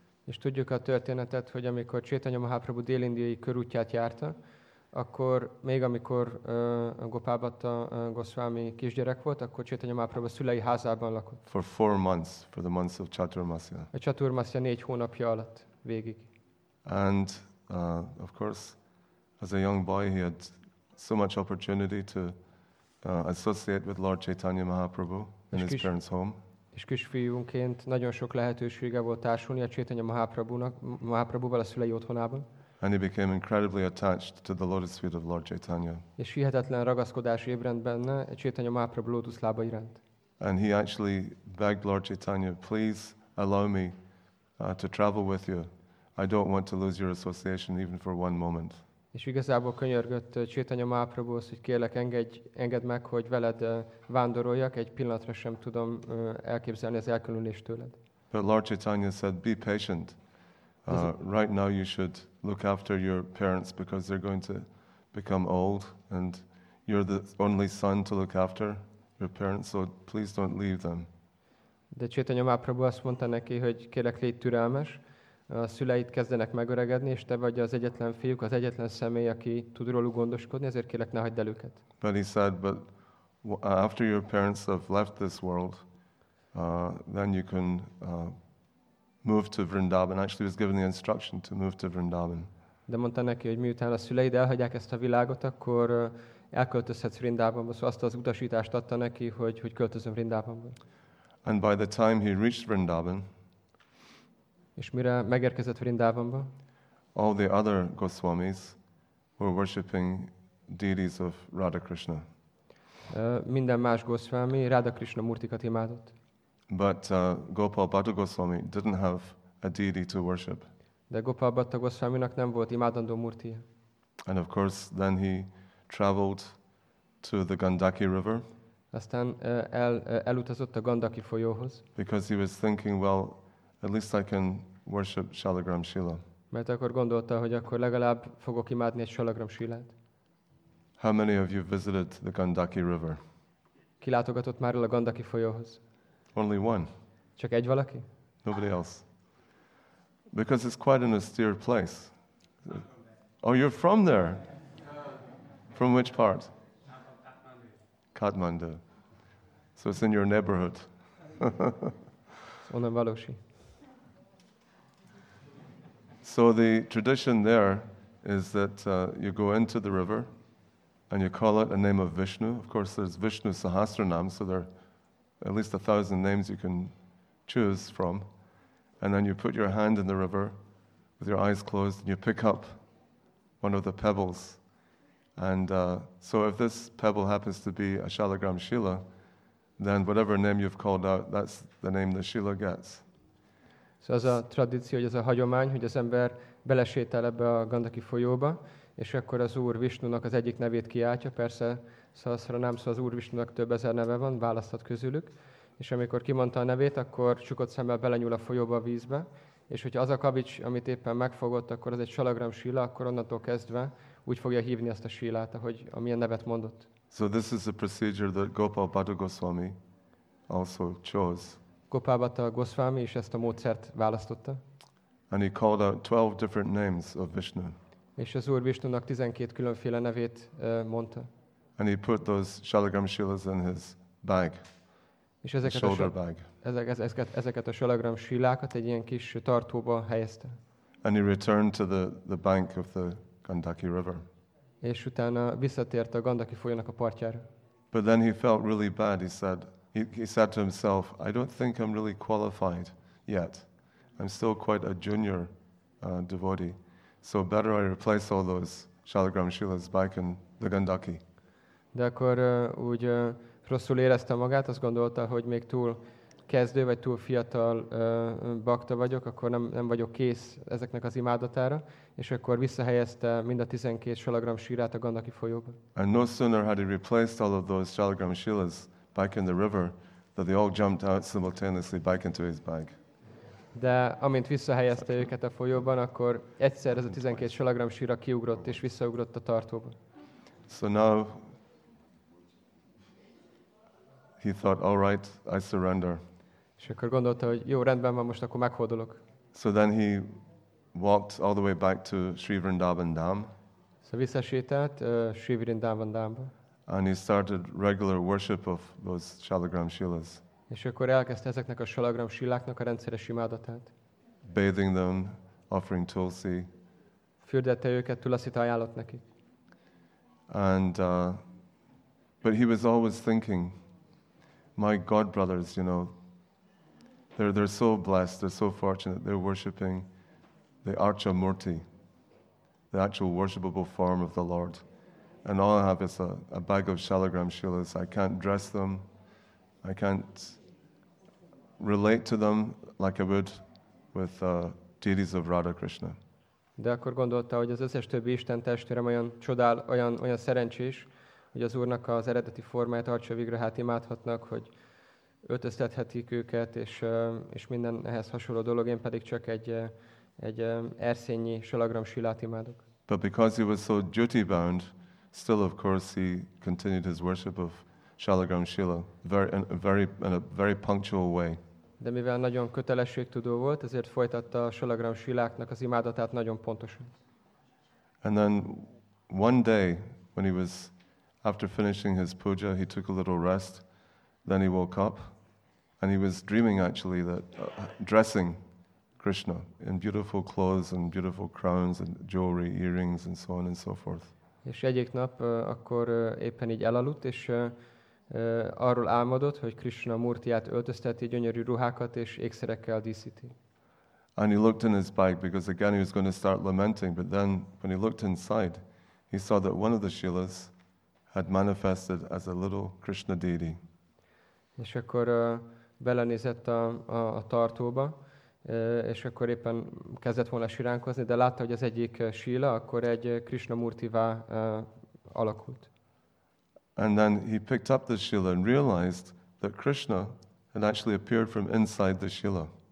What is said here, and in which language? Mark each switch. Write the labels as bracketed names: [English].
[Hungarian] És tudjuk a történetet, hogy amikor Chaitanya Mahaprabhu dél-indiai körútját járta, akkor még amikor Gopal Bhatta Goswami kisgyerek volt, akkor Chaitanya Mahaprabhu szülei házában lakott. [English] For 4 months, for the months of Chaturmasya. [Hungarian] A Chaturmasya 4 hónapja alatt végig. [English] And of course, as a young boy, he had so much opportunity to associate with Lord Chaitanya Mahaprabhu in his parents' home. [Hungarian] És kisfiúként nagyon sok lehetősége volt társulni a Chaitanya Mahaprabhuval a szülei otthonában. [English] And he became incredibly attached to the lotus feet of Lord Chaitanya. [Hungarian] És hihetetlen ragaszkodás ébredt benne a Chaitanya Mahaprabhu lótusz lába iránt. [English] And he actually begged Lord Chaitanya, please allow me to travel with you. I don't want to lose your association even for one moment. [Hungarian] És igazából könyörgött Chaitanya Mahaprabhu, hogy kérlek, engedd meg, hogy veled vándoroljak, egy pillanatra sem tudom elképzelni az elkülönülést tőled. [English] But Lord Chaitanya said, be patient. Right now you should look after your parents because they're going to become old and you're the only son to look after your parents, so please don't leave them. [Hungarian] De Chaitanya Mahaprabhu azt mondta neki, hogy kérlek, légy türelmes, a szüleid kezdenek megöregedni, és te vagy az egyetlen fiúk, az egyetlen személy, aki tud róluk gondoskodni, ezért kérlek, ne hagyd el őket. [English] But he said, but after your parents have left this world, then you can move to Vrindavan. Actually, he was given the instruction to move to Vrindavan. [Hungarian] De mondta neki, hogy miután a szüleid elhagyják ezt a világot, akkor elköltözhetsz Vrindavanba. Szóval azt az utasítást adta neki, hogy költözöm Vrindavanba. [English] And by the time he reached Vrindavan, [Hungarian] és mire megérkezett Vrindavanba, [English] all the other Goswamis were worshipping deities of Radha Krishna. [Hungarian] Minden más Goswami Radha Krishna murtikat imádott. [English] But Gopal Bhatta Goswami didn't have a deity to worship. [Hungarian] De Gopal Bhatta Goswaminak nem volt imádandó murtija. [English] And of course, then he traveled to the Gandaki River. [Hungarian] Aztán elutazott a Gandaki folyóhoz. [English] Because he was thinking, well, at least I can worship Shalagram Shila. [Hungarian] Mert akkor gondolta, hogy akkor legalább fogok imádni egy Shalagram Shilát. [English] How many of you visited the Gandaki River? [Hungarian] Ki látogatott már a Gandaki folyóhoz? [English] Only one. [Hungarian] Csak egy valaki? [English] Nobody else. Because it's quite an austere place. Oh, you're from there? From which part? Kathmandu. So it's in your neighborhood. [Hungarian] Onnan valósi. [English] So the tradition there is that you go into the river and you call out a name of Vishnu. Of course, there's Vishnu Sahasranam, so there at least 1,000 names you can choose from, and then you put your hand in the river with your eyes closed and you pick up one of the pebbles. And so if this pebble happens to be a Shalagram Shila, then whatever name you've called out, that's the name the Shila gets. [Hungarian] So az a tradíció, hogy ez a hagyomány, hogy az ember belesétel ebbe a Gandaki folyóba, és akkor az Úr Vishnunak az egyik nevét kiáltja, persze Sahasranam, szóval az Úr Vishnunak több ezer neve van, választhat közülük, és amikor kimondta a nevét, akkor csukott szemmel belenyúl a folyóba, a vízbe, és hogyha az a kavics, amit éppen megfogott, akkor az egy Shalagram Shila, akkor onnantól kezdve úgy fogja hívni ezt a Shilát, ahogy amilyen nevet mondott. [English] So this is the procedure that Gopal Bhatta Goswami also chose. [Hungarian] Gopal Bhatta Goswami is ezt a módszert választotta. [English] And he called out 12 different names of Vishnu. [Hungarian] És az Úr Vishnunak 12 különféle nevét mondta. [English] And he put those Shalagram Shilas in his bag. [Hungarian] És ezeket [English] his shoulder bag. [Hungarian] Ezeket a Shalagram Shilákat egy ilyen kis tartóba helyezte. [English] And he returned to the bank of the Gandaki River. [Hungarian] És utána visszatért a Gandaki folyónak a partjára. [English] But then he felt really bad. He said, He said to himself, I don't think I'm really qualified yet. I'm still quite a junior devotee. So better I replace all those Shalagram Shilas by can the Gandaki. [Hungarian] De akkor úgy rosszul érezte magát, azt gondolta, hogy még túl kezdő vagy túl fiatal bakta vagyok, akkor nem vagyok kész ezeknek az imádatára, és akkor visszahelyezte mind a 12 Shalagram Shilát a Gandaki folyóba. [English] And no sooner had he replaced all of those Shalagram Shilas back in the river that they all jumped out simultaneously back into his bag. [Hungarian] De amint visszahelyezte őket a folyóban, akkor egyszer ez a 12 Shalagram Shila kiugrott és visszaugrott a tartóba. [English] So now he thought, all right, I surrender. [Hungarian] És akkor gondolta, hogy jó, rendben van, most akkor meghódolok. [English] So then he walked all the way back to Sri Vrindavan Dham. [Hungarian] So visszasétált Sri Vrindavan Dhamba. [English] And he started regular worship of those Shalagram Shilas. [Hungarian] És akkor elkezdte ezeknek a Shalagram Shiláknak a rendszeres imádatát. [English] Bathing them, offering tulsi. [Hungarian] Fürdette őket, tulaszit ajánlott nekik. [English] And but he was always thinking, my god brothers, you know, they're so blessed, they're so fortunate, they're worshiping the Archa Murti, the actual worshipable form of the Lord. And all I have is a bag of Shalagram Shilas. I can't dress them. I can't relate to them like I would with deities of Radha Krishna. [Hungarian] De akkor gondolta, hogy az összes többi Isten testvérem olyan csodál, olyan szerencsés, hogy az Úrnak az eredeti formáját, Archa Vigrahát imádhatnak, hogy ötöztethetik őket, és minden ehhez hasonló dolog. Én pedig csak egy erszényi Shalagram Shilát imádok. [English] But because he was so duty-bound, still, of course, he continued his worship of Shalagram Shila in a very punctual way. [Hungarian] De mivel nagyon kötelességtudó volt, ezért folytatta a Shalagram Shiláknak az imádatát nagyon pontosan. [English] And then one day, when he was after finishing his puja, he took a little rest. Then he woke up, and he was dreaming actually that dressing Krishna in beautiful clothes and beautiful crowns and jewelry, earrings, and so on and so forth. [Hungarian] És egyik nap akkor éppen így elaludt, és arról álmodott, hogy Krishna Murtiát öltözteti gyönyörű ruhákat és ékszerekkel díszíti. [English] And he looked in his bag because again he was going to start lamenting, but then when he looked inside, he saw that one of the shilas had manifested as a little Krishna deity. [Hungarian] És akkor belenézett a tartóba, és akkor éppen kezdett volna siránkozni, de látta, hogy az egyik síla, akkor egy Krishna Murtivá alakult. [English] And then he picked up the shila and realized that Krishna had actually appeared from inside the shila.